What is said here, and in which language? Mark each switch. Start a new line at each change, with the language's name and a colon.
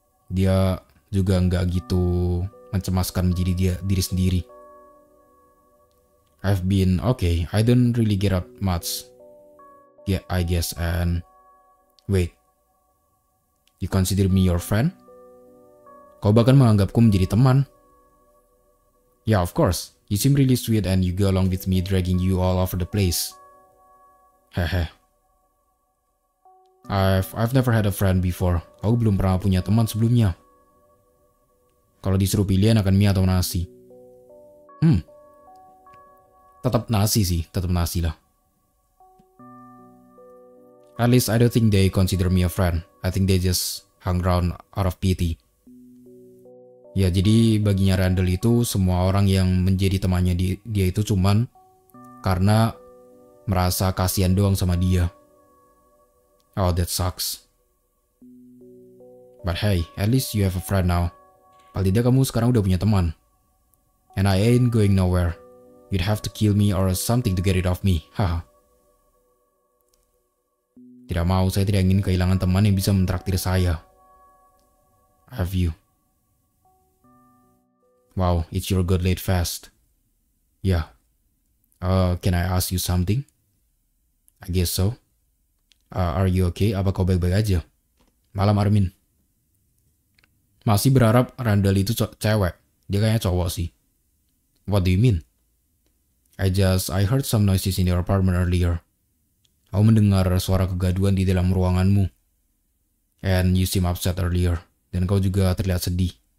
Indonesian: Dia juga gak gitu mencemaskan menjadi diri sendiri.
English: I've been okay. I don't really get up much. Yeah, I guess. And wait, you consider me your friend?
Indonesian: Kau bahkan menganggapku menjadi teman.
English: Yeah, of course. You seem really sweet and you go along with me dragging you all over the place. Hehe. I've never had a friend before.
Indonesian: Aku belum pernah punya teman sebelumnya. Kalau disuruh pilih enakan mie atau nasi? Tetap nasi sih, tetap nasi lah.
English: At least I don't think they consider me a friend. I think they just hang around out of pity.
Indonesian: Ya, jadi baginya Randall itu semua orang yang menjadi temannya dia itu cuman karena merasa kasihan doang sama dia.
English: Oh, that sucks. But hey, at least you have a friend now.
Indonesian: Paling tidak kamu sekarang udah punya teman.
English: And I ain't going nowhere. You'd have to kill me or something to get it off me. Haha.
Indonesian: Tidak mau, saya tidak ingin kehilangan teman yang bisa mentraktir saya.
English: Have you? Wow, it's your good late fast. Yeah. Can I ask you something? I guess so. Are you okay?
Indonesian: Apa kau baik-baik aja?
English: Malam, Armin.
Indonesian: Masih berharap Randall itu cewek. Dia kayaknya cowok sih.
English: What do you mean? I heard some noises in your apartment earlier.
Indonesian: Aku mendengar suara kegaduhan di dalam ruanganmu.
English: And you seem upset earlier.
Indonesian: Dan kau juga terlihat sedih.